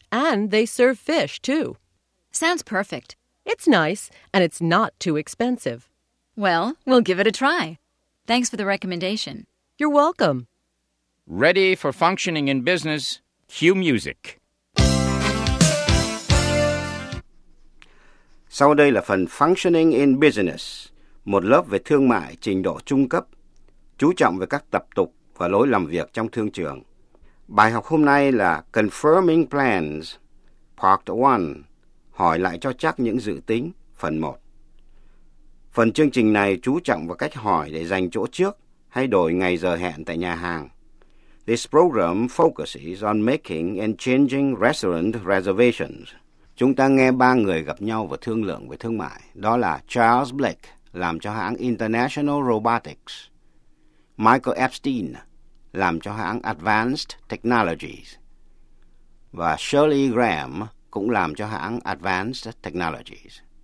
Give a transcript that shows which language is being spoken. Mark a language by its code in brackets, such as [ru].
[en] And they serve fish, too. Sounds perfect. It's nice, and it's not too expensive. Well, we'll give it a try. Thanks for the recommendation. You're welcome. Ready for functioning in business, cue music. [vi] Sau đây là phần Functioning in Business, một lớp về thương mại trình độ trung cấp, chú trọng về các tập tục và lối làm việc trong thương trường. Bài học hôm nay là Confirming Plans, Part 1, hỏi lại cho chắc những dự tính, phần 1. Phần chương trình này chú trọng vào cách hỏi để dành chỗ trước hay đổi ngày giờ hẹn tại nhà hàng. [en] This program focuses on making and changing restaurant reservations. [vi] Chúng ta nghe ba người gặp nhau và thương lượng về thương mại. Đó là Charles Blake, làm cho hãng International Robotics. Michael Epstein, làm cho hãng Advanced Technologies. Và Shirley Graham, cũng làm cho hãng Advanced Technologies.